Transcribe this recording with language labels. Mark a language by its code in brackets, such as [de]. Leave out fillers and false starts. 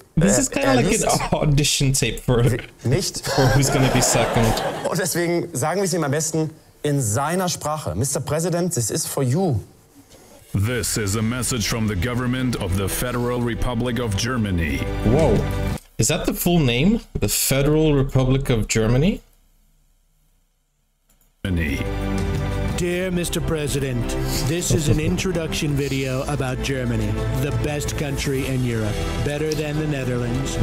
[en] This is kind of like an audition tape for, [de] nicht. [en] For who's gonna be second. [de] Und deswegen sagen wir es ihm am besten in seiner Sprache. [en] Mr. President, this is for you. This is a message from the government of the Federal Republic of Germany. Whoa. Is that the full name? The Federal Republic of Germany? Dear Mr. President, this is an introduction video about Germany, the best country in Europe, better than the Netherlands,